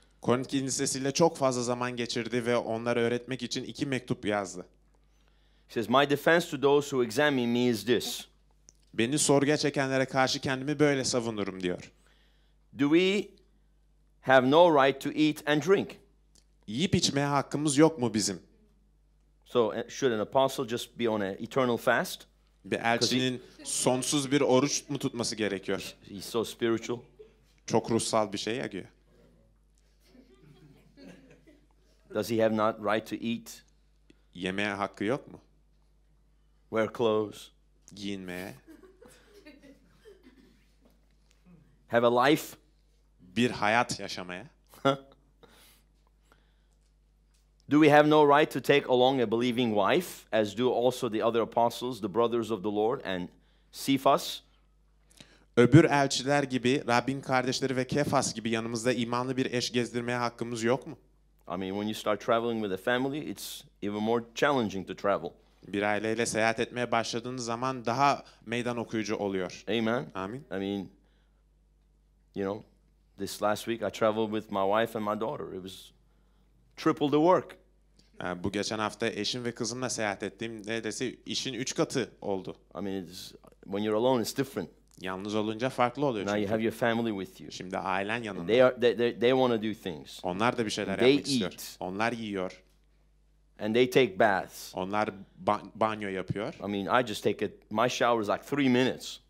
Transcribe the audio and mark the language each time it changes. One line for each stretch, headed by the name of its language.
Turkish: Korint kilisesiyle çok fazla zaman geçirdi ve onlara öğretmek için iki mektup yazdı.
English: He says, my defense to those who examine me is this.
Turkish: Beni sorguya çekenlere karşı kendimi böyle savunurum diyor.
English: Do we have no right to eat and drink?
Turkish: Yiyip içmeye hakkımız yok mu bizim?
English: So should an apostle just be on an eternal fast?
Turkish: Bir elçinin sonsuz bir oruç mu tutması gerekiyor?
English: He's so spiritual.
Turkish: Çok ruhsal bir şey ya diyor.
English: Does he have not right to eat?
Turkish: Yemeğe hakkı yok mu?
English: Wear clothes.
Turkish: Giyinmeye.
English: Have a life.
Turkish: Bir hayat yaşamaya.
English: Do we have no right to take along a believing wife, as do also the other apostles, the brothers of the Lord, and Cephas?
Turkish: Öbür elçiler gibi, Rabbin kardeşleri ve Kefas gibi yanımızda imanlı bir eş gezdirmeye hakkımız yok mu?
English: I mean, when you start traveling with a family, it's even more challenging to travel.
Turkish: Bir aileyle seyahat etmeye başladığınız zaman daha meydan okuyucu oluyor.
English: Amen.
Turkish: Amin.
English: I mean, you know, this last week I traveled with my wife and my daughter. It was triple the work.
Turkish: Bu geçen hafta eşim ve kızımla seyahat ettim. Neredeyse işin 3 katı oldu.
English: I mean, it's, when you're alone, it's different.
Turkish: Yalnız olunca farklı oluyor.
English: Now you have your family with you.
Turkish: Şimdi ailen yanında.
English: They want to do things.
Turkish: Onlar da bir şeyler yapmak istiyor. Onlar yiyor.
English: And they take baths.
Turkish: Onlar banyo yapıyor.
English: I mean, I just take it. My shower is like 3 minutes.